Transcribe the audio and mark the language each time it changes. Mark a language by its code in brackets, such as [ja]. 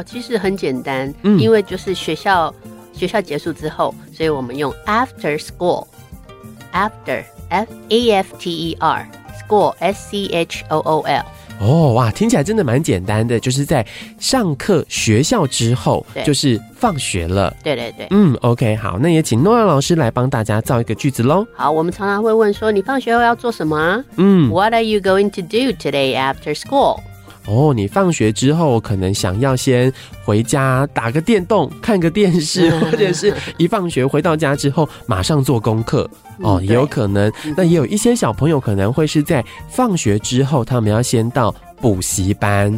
[zh] 其实很简单，因为就是学校结束之后，所以我们用 after school， after f a f t e r school s c h o o l。哦，哇，听起来真的蛮简单的，就是在上课学校之后，就是放学了。对对对， OK， 好，那也请诺亚老师来帮大家造一个句子喽。好，我们常常会问说，你放学后要做什么？ [en] What are you going to do today after school？ [zh] 哦，你放学之后可能想要先回家打个电动，看个电视，或者是一放学回到家之后马上做功课。哦，也有可能，那也有一些小朋友可能会是在放学之后，他们要先到补习班。